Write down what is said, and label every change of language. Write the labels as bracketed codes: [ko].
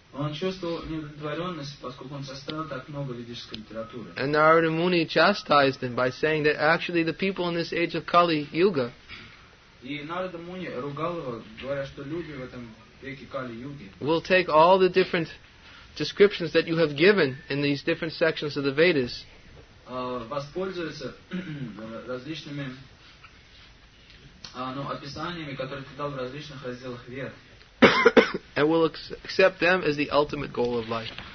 [ru] Он чувствовал неудовлетворенность, поскольку он составил так много ведической литературы. [en] And Narada Muni chastised him by saying that actually the people in this age of Kali Yuga. [ru] И Нарада Муни ругал его, говоря, что люди в этом веке Кали Юги. [en] Will take all the different descriptions that you have given in these different sections of the Vedas. [ru] Воспользуются различными описаниями, которые ты дал в различных разделах Вед. [en] And will accept them as the ultimate goal of life.